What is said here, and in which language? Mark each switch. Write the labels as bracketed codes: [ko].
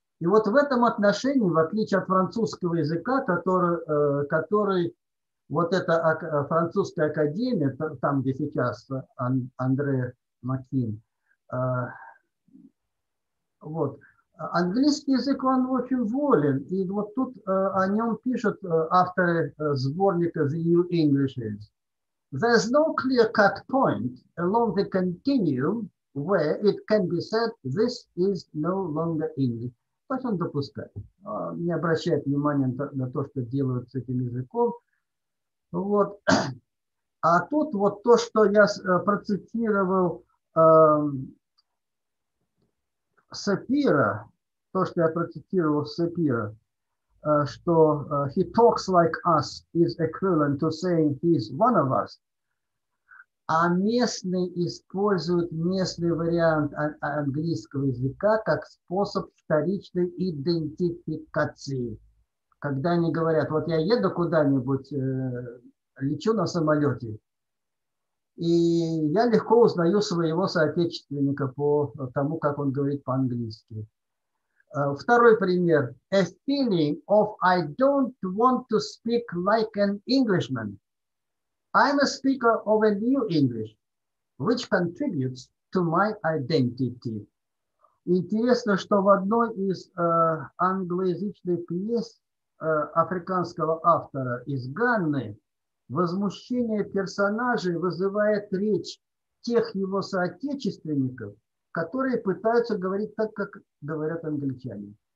[ru] И вот в этом отношении, в отличие от французского языка, который вот эта французская академия, там, где сейчас Андре Макин, вот, английский язык, он очень волен, и вот тут о нем пишут авторы сборника The New Englishes. [en] There's no clear-cut point along the continuum where it can be said this is no longer English. [ru] То есть он допускает, не обращает внимания на то, что делают с этим языком. Вот. А тут вот то, что я процитировал Сапира, то, что я процитировал Сапира, что [en] he talks like us is equivalent to saying he's one of us. [ru] А местные используют местный вариант английского языка как способ вторичной идентификации. Когда они говорят, вот я еду куда-нибудь, лечу на самолете, и я легко узнаю своего соотечественника по тому, как он говорит по-английски. Второй пример. [en] A feeling of I don't want to speak like an Englishman. I'm a speaker of a new English, which contributes to my identity. [ru] Интересно, что в одной из англоязычных пьес африканского автора из Ганны возмущение персонажей вызывает речь тех его соотечественников, которые пытаются говорить так, как говорят англичане.